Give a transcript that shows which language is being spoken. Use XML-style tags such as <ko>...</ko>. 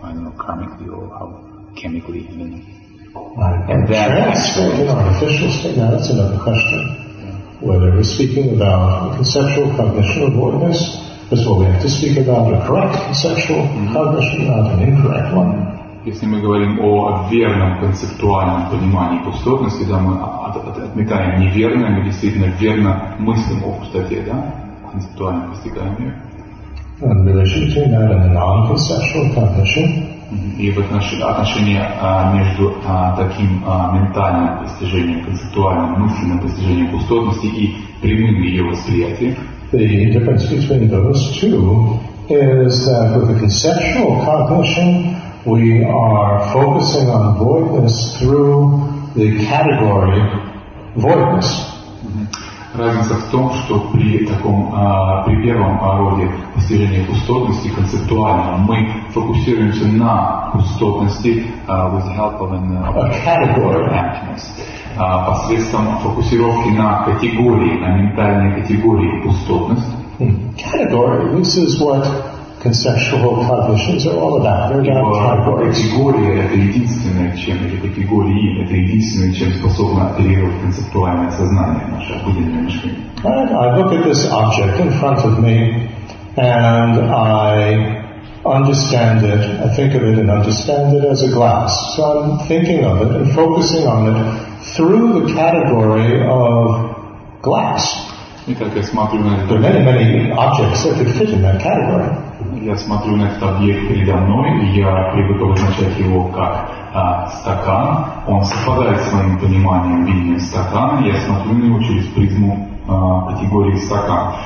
<en>I don't know, karmically or how chemically, I don't know. And then trance state, artificial state. Now that's another question. Whether we're speaking about conceptual cognition of voidness, that's what we have to speak about, a correct conceptual cognition, not an incorrect one.</en> <ru>Если мы говорим о верном концептуальном понимании пустотности, да, мы отметаем неверное, мы действительно верно мыслим о пустоте, да, концептуально постигаем ее.</ru> <en>And relation between that and a non-conceptual cognition.</en> <ru>И в отношении между таким ментальным достижением, концептуальным мысленным достижением пустотности и прямым ее восприятием.</ru> <en>The difference between those two is that with the conceptual cognition we are focusing on voidness through the category voidness.</en> <ru>Разница в том, что при таком при первом роде достижения пустотности концептуально мы фокусируемся на пустотности</ru> <en>with the help of a category of emptiness.</en> <ru>Посредством фокусировки на категории, на ментальной категории пустотности.</ru> <en>Category. This is what conceptual cognitions are all about. They're about categories.</en> <ru>Категория — это единственное, чем эти категории, это единственное, чем способно оперировать концептуальное сознание наше, обыденное мышление.</ru> <en>I look at this object in front of me, and I understand it, I think of it and understand it as a glass. So I'm thinking of it and focusing on it through the category of glass.</en> <ru>Итак, я смотрю на этот объект.</ru> <en>There are many, many objects that could fit in that category.</en> <ru>Я смотрю на этот объект передо мной, и я привык обозначать его как стакан. Он совпадает с моим пониманием видения стакана, я смотрю на него через призму категории стакан.</ru>